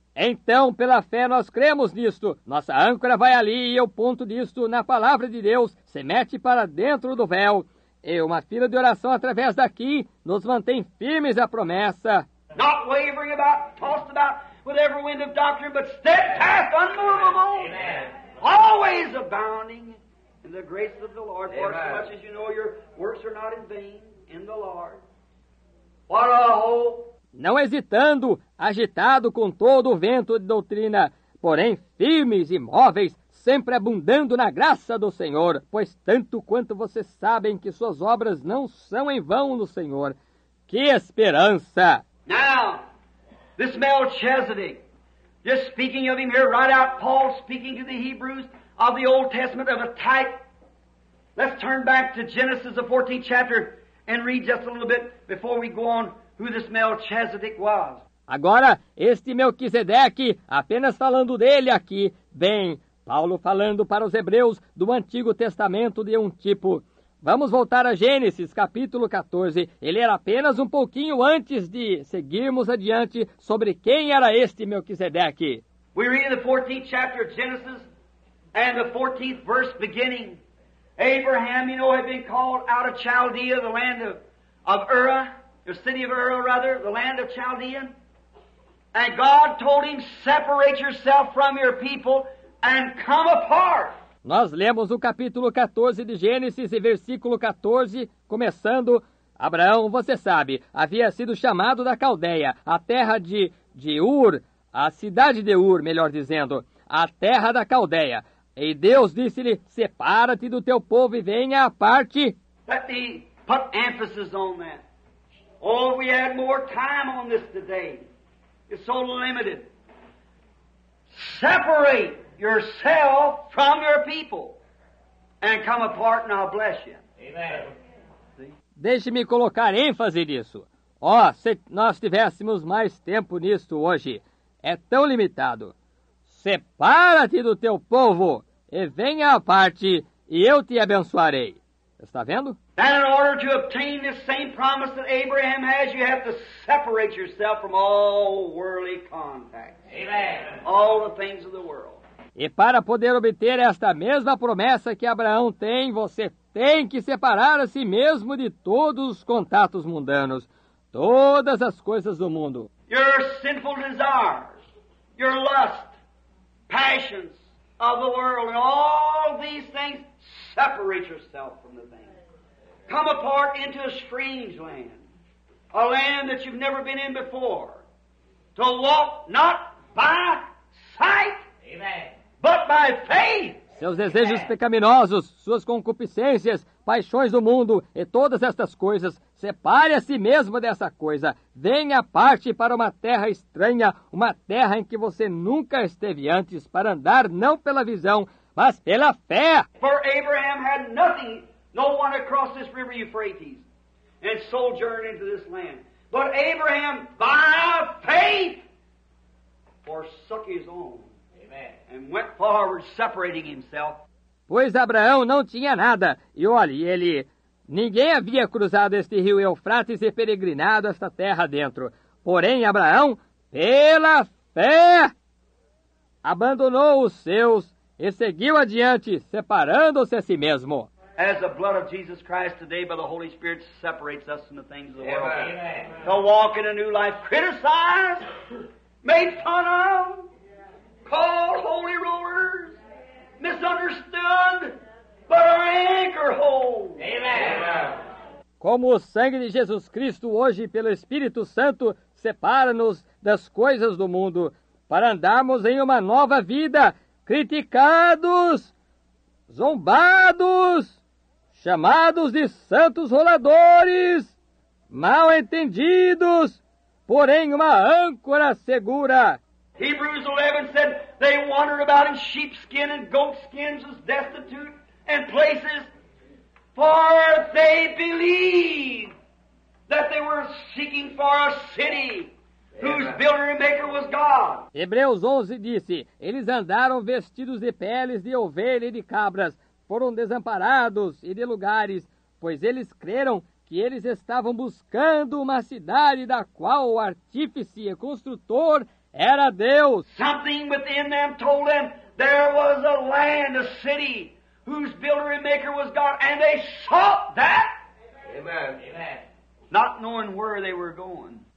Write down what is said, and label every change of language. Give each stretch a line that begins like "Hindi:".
Portuguese: Então, pela fé, nós cremos nisto. Nossa âncora vai ali e o ponto disto, na palavra de Deus, se mete para dentro do véu. E uma fila de oração através daqui nos mantém firmes à promessa.
English: Not wavering about, tossed about with every wind of doctrine, but steadfast, unmovable, always abounding in the grace of the Lord. For as much as you know, your works are not in vain in the Lord. What a hope!
Portuguese: Não hesitando, agitado com todo o vento de doutrina, porém firmes e móveis, sempre abundando na graça do Senhor, pois tanto quanto vocês sabem que suas obras não são em vão no Senhor. Que esperança!
English: Now, this Melchizedek, just speaking of him here, right out Paul speaking to the Hebrews of the Old Testament of a type. Let's turn back to Genesis, the 14th chapter, and read just a little bit before we go on. Who this Melchizedek was.
Portuguese: Agora, este Melquisedeque, apenas falando dele aqui, bem, Paulo falando para os hebreus do Antigo Testamento de um tipo. Vamos voltar a Gênesis, capítulo 14. Ele era apenas um pouquinho antes de seguirmos adiante sobre quem era este Melquisedeque.
English: We read in the 14th chapter of Genesis, and the 14th verse beginning. Abraham, you know, had been called out of Chaldea, the land of Ur. The city of Ur, rather, the land of Chaldean. And God told him, separate yourself from your people and come apart.
Portuguese: Nós lemos o capítulo 14 de Gênesis e versículo 14, começando, Abraão, você sabe, havia sido chamado da Caldeia, a terra de Ur, a cidade de Ur, melhor dizendo, a terra da Caldeia. E Deus disse-lhe, separa-te do teu povo e venha à parte.
English: Let me put emphasis on that. Oh, we had more time on this today. It's so limited. Separate yourself from your people and come apart and I'll bless you. Amen.
Portuguese: Deixe-me colocar ênfase nisso. Ó, se nós tivéssemos mais tempo nisto hoje, é tão limitado. Separa-te do teu povo e venha à parte e eu te abençoarei. Está vendo?
English: That in order to obtain the same promise that Abraham has, you have to separate yourself from all worldly contact. Amen. All the things of the world.
Portuguese: E para poder obter esta mesma promessa que Abraão tem, você tem que separar a si mesmo de todos os contatos mundanos, todas as coisas do mundo.
English: Your sinful desires, your lust, passions of the world, and all these things, separate yourself from the thing. Come apart into a strange land, a land that you've never been in before, to walk not by sight. Amen. But by faith.
Portuguese: Seus desejos pecaminosos, suas concupiscências, paixões do mundo e todas estas coisas, separe a si mesmo dessa coisa. Venha à parte para uma terra estranha, uma terra em que você nunca esteve antes, para andar não pela visão, mas pela fé.
English: For Abraham had nothing, no one across this river Euphrates, and sojourned into this land. But Abraham, by faith, forsook his own. And went forward separating himself.
Portuguese: Pois Abraão não tinha nada. E olhe, ele... Ninguém havia cruzado este rio Eufrates e peregrinado esta terra dentro. Porém, Abraão, pela fé, abandonou os seus e seguiu adiante, separando-se a si mesmo.
English: As the blood of Jesus Christ today by the Holy Spirit separates us from the things of the world. Amen. To walk in a new life, criticized, made fun of, called holy rulers, misunderstood, but our anchor holds. Amen.
Portuguese: Como o sangue de Jesus Cristo hoje, pelo Espírito Santo, separa-nos das coisas do mundo, para andarmos em uma nova vida, criticados, zombados, chamados de santos roladores, mal entendidos, porém uma âncora segura.
English: Hebrews 11 said they wandered about in sheepskin and goatskins as destitute and places, for they believed that they were seeking for a city whose builder and maker was God.
Portuguese: Hebreus 11 disse, eles andaram vestidos de peles de ovelha e de cabras, foram desamparados e de lugares, pois eles creram que eles estavam buscando uma cidade da qual o artífice e construtor era Deus.
English: Something within them told them there was a land, a city, whose builder and maker was God, and they sought that. Amen. Not knowing where they were going.